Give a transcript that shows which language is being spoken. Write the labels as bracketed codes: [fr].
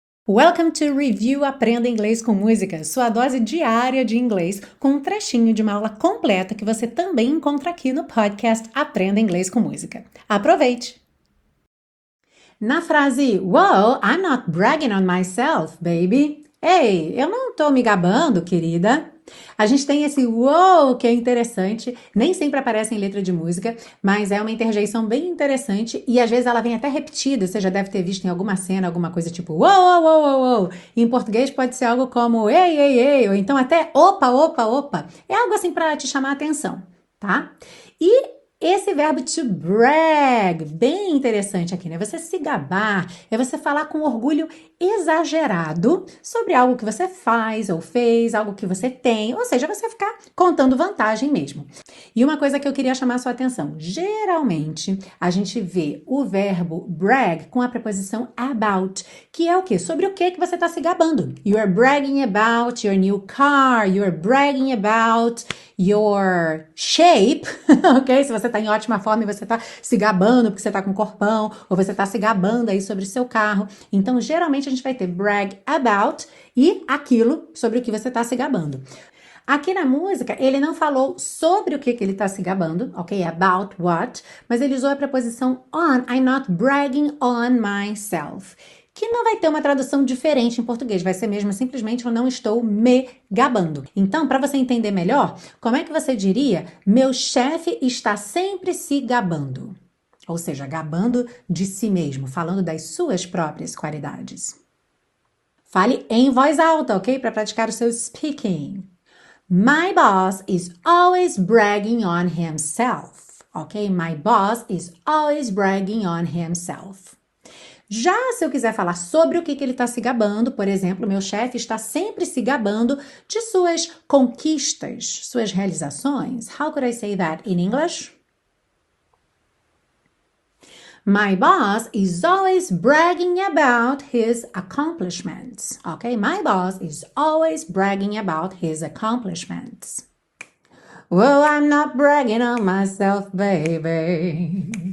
[en] Welcome to [pt] Review Aprenda Inglês com Música, sua dose diária de inglês, com um trechinho de uma aula completa que você também encontra aqui no podcast Aprenda Inglês com Música. Aproveite! Na frase, [en] "Whoa, I'm not bragging on myself, baby." [pt] Ei, eu não tô me gabando, querida. A gente tem esse "whoa" que é interessante, nem sempre aparece em letra de música, mas é uma interjeição bem interessante e às vezes ela vem até repetida, você já deve ter visto em alguma cena, alguma coisa tipo "whoa, whoa, whoa, whoa". Em português pode ser algo como "ei, ei, ei", ou então até "opa, opa, opa". É algo assim para te chamar a atenção, tá? E esse verbo to brag, bem interessante aqui, né? Você se gabar, é você falar com orgulho exagerado sobre algo que você faz ou fez, algo que você tem, ou seja, você ficar contando vantagem mesmo. E uma coisa que eu queria chamar a sua atenção, geralmente a gente vê o verbo brag com a preposição about, que é o quê? Sobre o quê que você está se gabando? [en] You are bragging about your new car, you are bragging about your shape, ok? [pt] Se você está em ótima forma e você está se gabando porque você está com corpão, ou você está se gabando aí sobre o seu carro. Então, geralmente a gente vai ter brag about e aquilo sobre o que você está se gabando. Aqui na música, ele não falou sobre o que ele está se gabando, ok? [en] About what, [pt] mas ele usou a preposição [en] on, I'm not bragging on myself. [pt] Que não vai ter uma tradução diferente em português, vai ser mesmo simplesmente eu não estou me gabando. Então, para você entender melhor, como é que você diria meu chefe está sempre se gabando? Ou seja, gabando de si mesmo, falando das suas próprias qualidades. Fale em voz alta, ok? Para praticar o seu speaking. [en] My boss is always bragging on himself, ok? My boss is always bragging on himself. [pt] Já se eu quiser falar sobre o que ele está se gabando, por exemplo, meu chefe está sempre se gabando de suas conquistas, suas realizações. [en] How could I say that in English? My boss is always bragging about his accomplishments. Okay, my boss is always bragging about his accomplishments. Well, I'm not bragging on myself, baby.